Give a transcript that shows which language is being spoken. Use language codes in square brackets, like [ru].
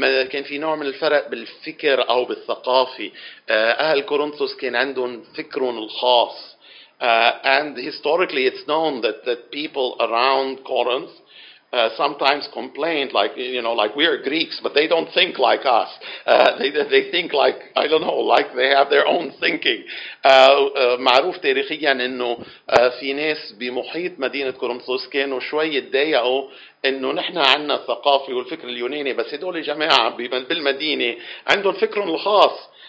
[ar] كان في نوع من الفرق بالفكر أو بالثقافة. أهل كورنثوس كان عندهم فكرهم الخاص. [en] And historically, it's known that people around Corinth sometimes complained, like we are Greeks, but they don't think like us. They think like I don't know, like they have their own thinking. [ar] معروف تاريخيا إنه في ناس بمحيط مدينة كورنثوس كانوا شوية ضايقوا إنه نحن عنا الثقافة والفكر اليوناني بس هدول جماعة بالمدينة عندهم فكر خاص.